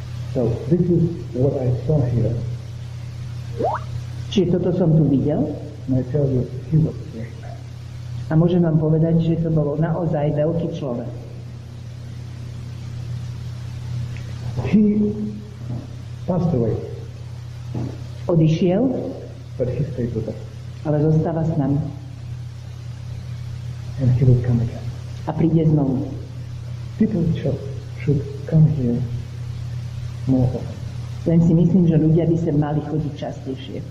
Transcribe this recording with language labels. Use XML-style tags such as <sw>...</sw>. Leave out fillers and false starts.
<en>So this is what I saw here.</en> <sk>Čiže toto som tu videl.</sk> <en>And I tell you, he was great.</en> <sk>A môžem vám povedať, že to bolo naozaj veľký človek.</sk> <en>He passed away.</en> <sk>Odišiel.</sk> <en>But he stayed with us.</en> <sk>Ale zostáva s nami.</sk> <en>And he will come again.</en> <sk>A príde znovu.</sk> <en>People should come here.</en> <sk>Len si myslím, že ľudia by sa mali chodiť častejšie.</sk>